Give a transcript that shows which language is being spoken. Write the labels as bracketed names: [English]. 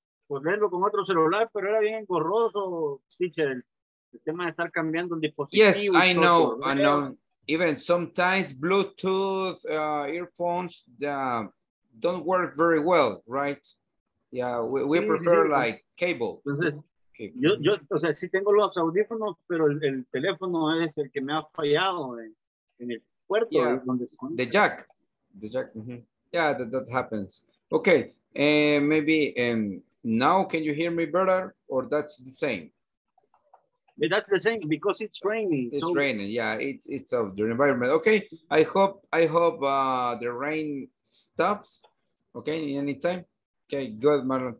[Spanish] ponerlo con otro celular, pero era bien engorroso, teacher, el tema de estar cambiando el dispositivo. [English] Yes, I know, [Spanish] todo, [English] I know. Even sometimes Bluetooth earphones don't work very well, right? Yeah, we prefer sí. Like cable. [Spanish] Entonces, okay. Yo, o sea, sí tengo los audífonos, pero el teléfono es el que me ha fallado en el puerto. [English] Yeah. Donde se the jack. Mm-hmm. Yeah, that happens. Okay, maybe now can you hear me better or that's the same? Yeah, that's the same because it's raining. It's so raining. Yeah, it's of the environment. Okay, I hope the rain stops. Okay, anytime. Okay, good, Marlon.